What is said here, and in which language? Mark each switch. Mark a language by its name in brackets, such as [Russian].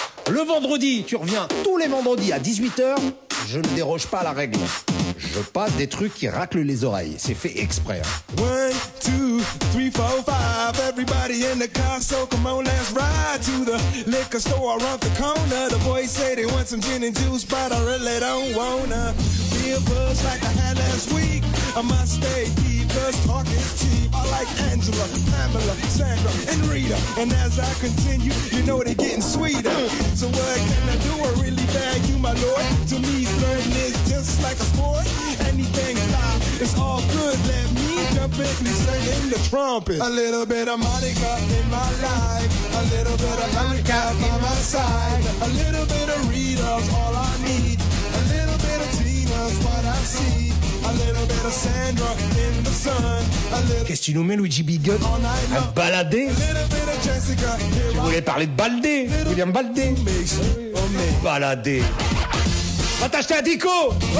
[French] Le vendredi, tu reviens tous les vendredis à 18h. Je ne déroge pas à la règle. Je passe des trucs qui raclent les oreilles. C'est fait exprès. 1, 2, 3, 4. [English] 4-5, everybody in the car, so come on, let's ride to the liquor store around the corner. The boys say they want some gin and juice, but I really don't wanna be a buzz like I had last week. I must stay deep, cause talk is cheap. I like Angela, Pamela, Sandra, and Rita. And as I continue, you know they're getting sweeter. So what can I do? I really value you, my lord. To me, flirting is just like a sport. Anything fine, it's all good. Let me jump in and sing in the trumpet. A little bit of Monica in my life. A little bit of Monica by my side. A little bit of Rita's all I need. A little bit of Tina's what I see. A little bit of Sandra in the sun. [French] Qu'est-ce que tu nous mets, Luigi Bigot? À balader? Tu voulais parler de Baldé, William Baldé? Baladé. Va t'acheter un dico. Oh!